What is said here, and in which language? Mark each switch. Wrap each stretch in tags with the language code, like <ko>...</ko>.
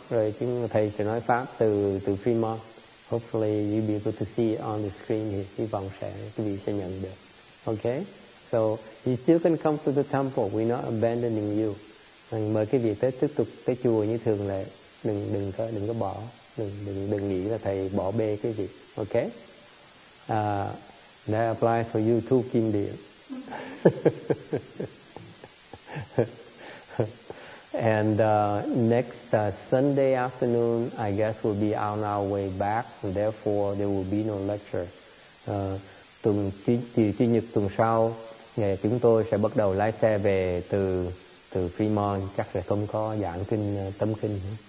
<vi>Rồi chúng thầy sẽ nói pháp từ Fremont.</vi> <en>Hopefully you'll be able to see it on the screen.</en> <vi>Hy vọng sẽ quý vị sẽ nhận được.</vi> <en>Okay. So you still can come to the temple. We're not abandoning you.</en> <vi>Mời quý vị tiếp tục tới chùa như thường lệ. Đừng có bỏ. đừng nghĩ là thầy bỏ bê cái gì.</vi> <en>Ok, that applies for you too, Kim Điền. And next Sunday afternoon, I guess we'll be on our way back. So therefore, there will be no lecture.</en> <vi>Tuần chủ nhật tuần sau, ngày chúng tôi sẽ bắt đầu lái xe về từ Fremont, chắc sẽ không có giảng kinh tâm kinh.</vi>